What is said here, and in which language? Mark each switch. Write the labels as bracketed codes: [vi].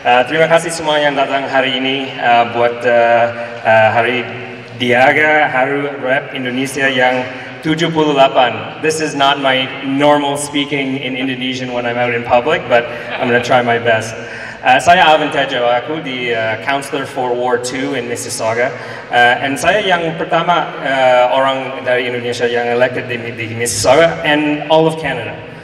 [id] Terima kasih semua yang datang hari ini buat hari Dyah, Haru Rep Indonesia yang 78. [en] This is not my normal speaking in Indonesian when I'm out in public, but I'm going to try my best. [id] Saya Alvin Tedjo, aku di [en] Councillor for Ward 2 [id] in Mississauga. [en] And [id] saya yang pertama orang dari Indonesia yang elected di Mississauga [en] and all of Canada.